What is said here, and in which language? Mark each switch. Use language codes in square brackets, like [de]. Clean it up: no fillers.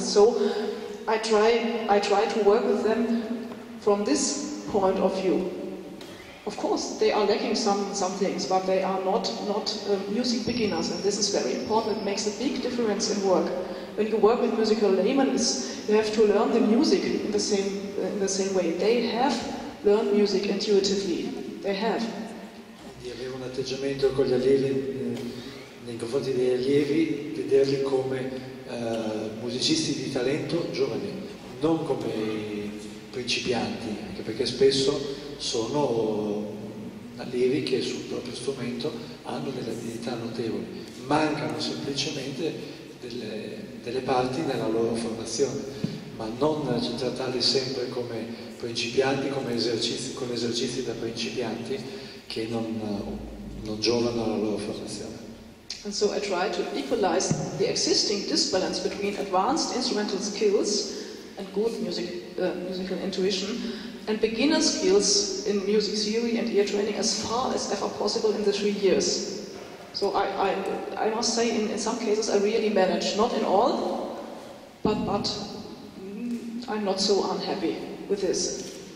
[en] So I try to work with them from this point of view. Of course, they are lacking some things, but they are not music beginners. And this is very important. It makes a big difference in work. When you work with musical laymen, you have to learn the music in the same way. They have learned music intuitively. They have. [it] Quindi avere un atteggiamento con gli allievi, nei confronti degli allievi, vederli come musicisti di talento giovani, non come principianti, anche perché spesso sono allievi che sul proprio strumento hanno delle abilità notevoli, mancano semplicemente delle parti nella loro formazione, ma non trattarli sempre come principianti, come esercizi da principianti che non giovano alla loro formazione. [en] And so I try to equalize the existing disbalance between advanced instrumental skills and good musical intuition and beginner skills in music theory and ear training as far as ever possible in the 3 years. So I must say, in some cases I really manage, not in all, but I'm not so unhappy with this.